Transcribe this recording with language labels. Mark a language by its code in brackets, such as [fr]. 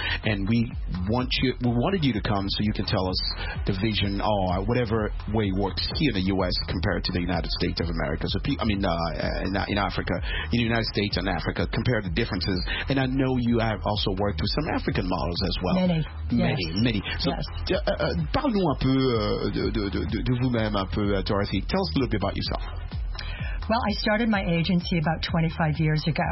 [en] And we wanted you to come so you can tell us the vision or whatever way works here in the U.S. compared to the United States of America. In the United States and Africa, compare the differences. And I know you have also worked with some African models as well. Many. [fr] So, parlons un peu de vous-même un peu, Dorothy. [en] Tell us a little bit about yourself. Well, I started my agency about 25 years ago.